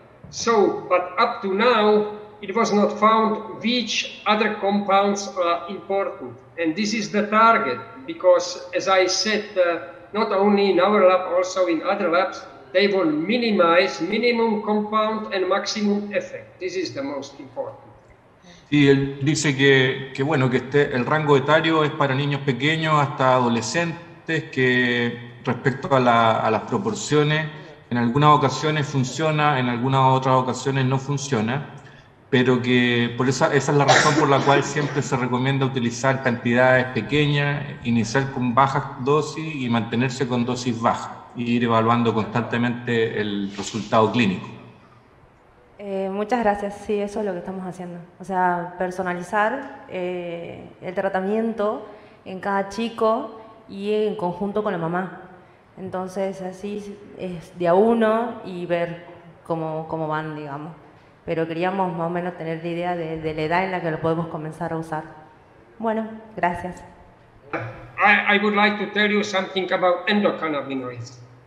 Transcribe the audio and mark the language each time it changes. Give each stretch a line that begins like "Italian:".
English: So, but up to now, it was not found which other compounds are important. And this is the target, because as I said, not only in our lab, also in other labs, they will minimize minimum compound and maximum effect. This is the most important.
Spanish: Sí, él dice que bueno, que este, el rango etario es para niños pequeños hasta adolescentes, que respecto a las proporciones, en algunas ocasiones funciona, en algunas otras ocasiones no funciona, pero que por esa es la razón por la cual siempre se recomienda utilizar cantidades pequeñas, iniciar con bajas dosis y mantenerse con dosis bajas, e ir evaluando constantemente el resultado clínico. Muchas gracias, sí, eso es lo que estamos haciendo. O sea, personalizar el tratamiento en cada chico y en conjunto con la mamá. Entonces, así es de a uno y ver cómo van, digamos. Pero queríamos más o menos tener la idea de la edad en la que lo podemos comenzar a usar. Bueno, gracias.
English: I would like to tell you something about endocannabinoids.